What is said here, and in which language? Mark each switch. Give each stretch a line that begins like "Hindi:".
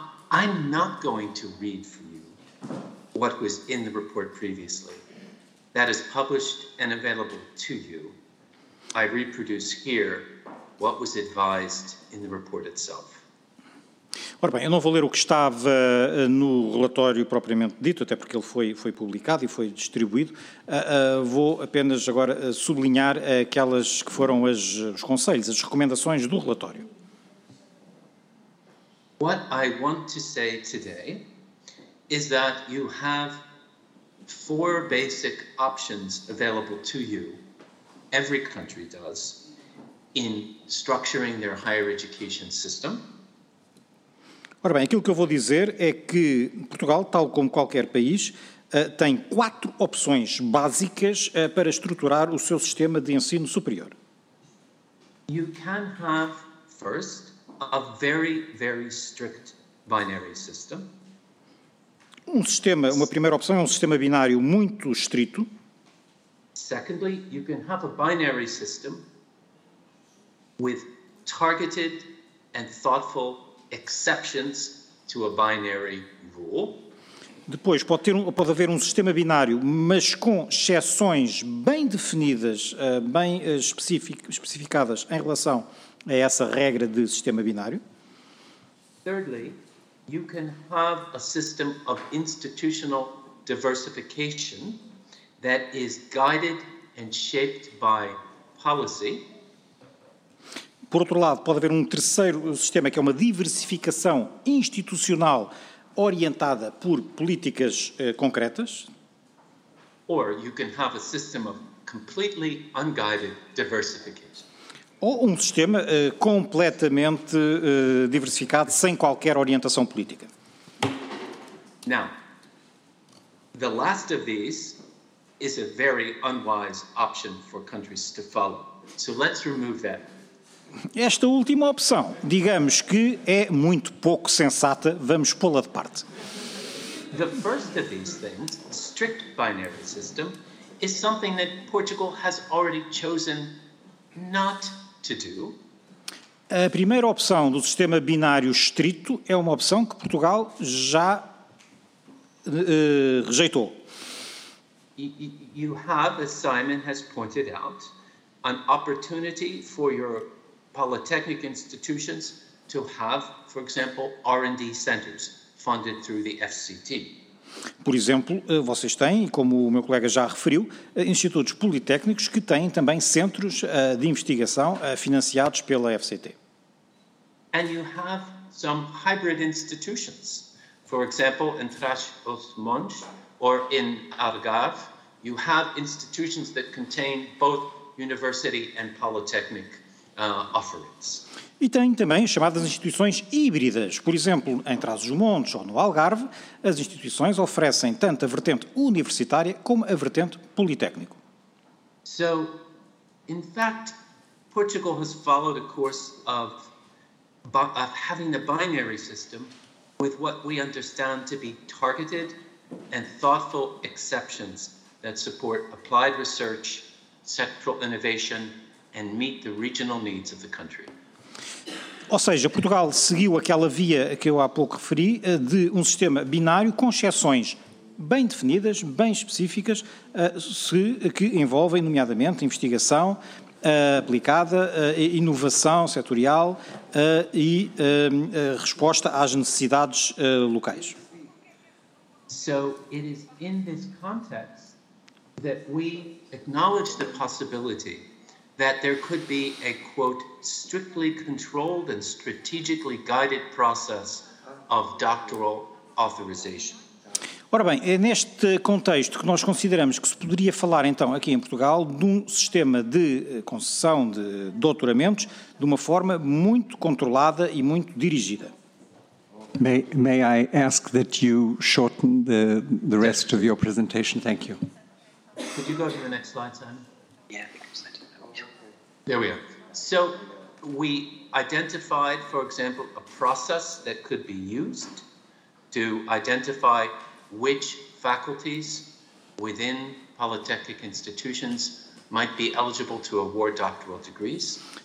English: I'm not going to read for you what was in the report previously. That is published and available to you. I reproduce here what was advised in the report itself.
Portuguese: Ora bem, eu não vou ler o que estava no relatório propriamente dito, até porque ele foi publicado e foi distribuído. Vou apenas agora sublinhar aquelas que foram os conselhos, as recomendações do relatório.
English: What I want to say today is that you have four basic options available to you, every country does, in structuring their higher education system.
Portuguese: Ora bem, aquilo que eu vou dizer é que Portugal, tal como qualquer país, tem quatro opções básicas para estruturar o seu sistema de ensino superior.
English: You can have, first, a very, very strict binary system.
Portuguese: Um sistema, uma primeira opção é um sistema binário muito estrito.
English: Secondly, you can have a binary system with targeted and thoughtful exceptions to a binary rule.
Portuguese: Depois, pode haver um sistema binário, mas com exceções bem definidas, bem especificadas em relação a essa regra de sistema binário.
English: Thirdly, you can have a system of institutional diversification that is guided and shaped by policy.
Portuguese: Por outro lado, pode haver um terceiro sistema, que é uma diversificação institucional orientada por políticas concretas.
English: Or you can have a system of completely unguided diversification.
Portuguese: Ou um sistema completamente diversificado, sem qualquer orientação política.
English: Now, the last of these is a very unwise option for countries to follow. So let's remove that.
Portuguese: Esta última opção, digamos que é muito pouco sensata, vamos pô-la de parte.
English: The first of these things, strict binary system, is something that Portugal has already chosen not to do.
Portuguese: A primeira opção do sistema binário estrito é uma opção que Portugal já rejeitou.
English: You have, as Simon has pointed out, an opportunity for your polytechnic institutions to have, for example, R&D centers funded through the FCT.
Portuguese: Por exemplo, vocês têm, como o meu colega já referiu, institutos politécnicos que têm também centros de investigação financiados pela FCT.
English: And you have some hybrid institutions. For example, in Trás-os-Montes or in Algarve, you have institutions that contain both university and polytechnic offerings.
Portuguese: E tem também chamadas instituições híbridas. Por exemplo, em Trás-os-Montes ou no Algarve, as instituições oferecem tanto a vertente universitária como a vertente politécnico.
English: So, in fact, Portugal has followed a course of having the binary system with what we understand to be targeted and thoughtful exceptions that support applied research, sectoral innovation, and meet the regional needs of the country.
Portuguese: Ou seja, Portugal seguiu aquela via que eu há pouco referi de um sistema binário com exceções bem definidas, bem específicas, que envolvem, nomeadamente, investigação aplicada, inovação setorial e resposta às necessidades locais.
English: So it is in this context that we acknowledge the possibility that there could be a, quote, strictly controlled and strategically guided process of doctoral authorization.
Portuguese: Ora bem, é neste contexto que nós consideramos que se poderia falar, então, aqui em Portugal, de um sistema de concessão de doutoramentos de uma forma muito controlada e muito dirigida.
English: May I ask that you shorten the rest of your presentation? Thank you. Could you go to the next slide, Simon? Yeah, because I didn't know. There we are. So we identified, for example, a process that could be used to identify which faculties within polytechnic institutions might be eligible to award doctoral degrees.